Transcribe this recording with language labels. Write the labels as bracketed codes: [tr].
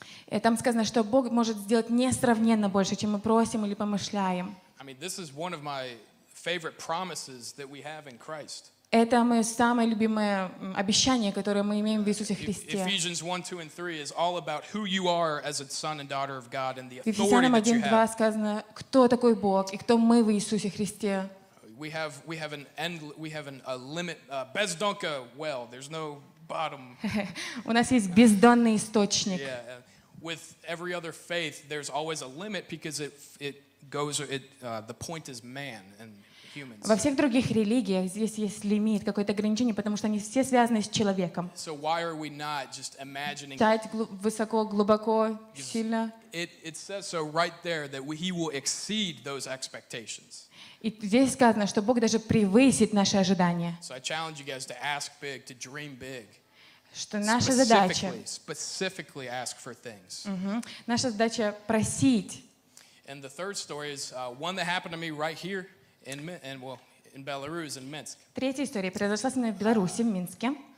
[ru] И там сказано, что Бог может сделать несравненно больше, чем мы просим или помышляем. Это моё самое любимое обещание, которое мы имеем в Иисусе Христе. [en] Ephesians 1:2-3 is all about who you are as a son and daughter of God and the authority that you have. [ru] Ephesians 1:2 сказано, кто такой Бог и кто мы в Иисусе Христе. [en] We have a limit, there's no bottom. [ru] У нас есть бездонный источник. [en] With every other faith, there's always a limit because it goes it, the point is man and humans. [ru] Во всех других религиях здесь есть лимит, какое-то ограничение, потому что они все связаны с человеком. [en] So why are we not just imagining? [ru] Дать высоко, глубоко, сильно. [en] It says so right there that he will exceed those expectations. [ru] И здесь сказано, что Бог даже превысит наши ожидания. [en] So I challenge you guys to ask big, to dream big. [ru] Что наша задача? [en] Specifically ask for things. [ru] Наша задача просить. [en] And the third story is one that happened to me right here in Belarus, in Minsk. [ru] Третья история произошла со мной в Беларуси, в Минске.